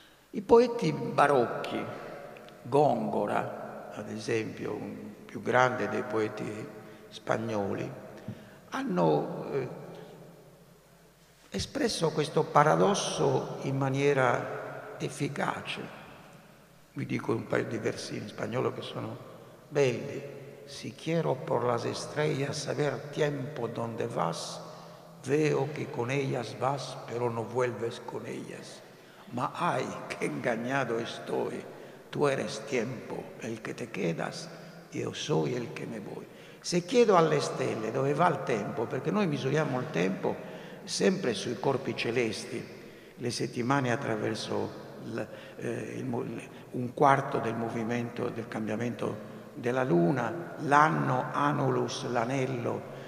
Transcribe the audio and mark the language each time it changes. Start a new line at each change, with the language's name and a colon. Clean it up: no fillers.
Italian: I poeti barocchi, Gongora, ad esempio, un più grande dei poeti spagnoli, hanno espresso questo paradosso in maniera efficace. Vi dico un paio di versi in spagnolo che sono belli.
Spanish: Si quiero por las estrellas saber tiempo donde vas, veo que con ellas vas, pero no vuelves con ellas. Ma ay, qué engañado estoy, tú eres tiempo, el que te quedas, yo soy el que me voy.
Italian: Se chiedo alle stelle dove va il tempo, perché noi misuriamo il tempo sempre sui corpi celesti, le settimane attraverso un quarto del movimento del cambiamento della luna, l'anno, anulus, l'anello,